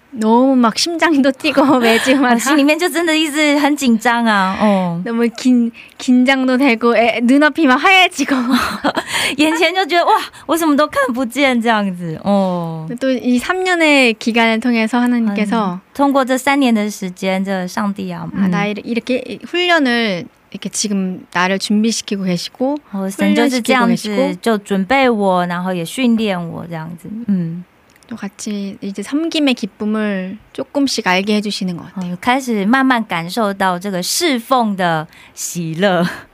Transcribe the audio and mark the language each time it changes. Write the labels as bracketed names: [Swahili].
[Korean] 너무 막 심장도 뛰고 매주마다 [Chinese] 心里面就真的一直很紧张啊 [Korean] 너무 긴장도 되고 눈앞이 막 하얘지고 [Chinese] 眼前就觉得哇我什么都看不见这样子 [Korean] 또 이 3년의 기간을 통해서 하나님께서 [Chinese] 通过这三年的时间这上帝啊 [Korean] 나 이렇게 훈련을 이렇게 지금 나를 준비시키고 계시고 훈련시키고 계시고 [Chinese] 就准备我然后也训练我这样子 [Korean] 또 같이 이제 섬김의 기쁨을 조금씩 알게 해주시는 것 같아요. [Chinese] 开始慢慢感受到这个侍奉的喜乐.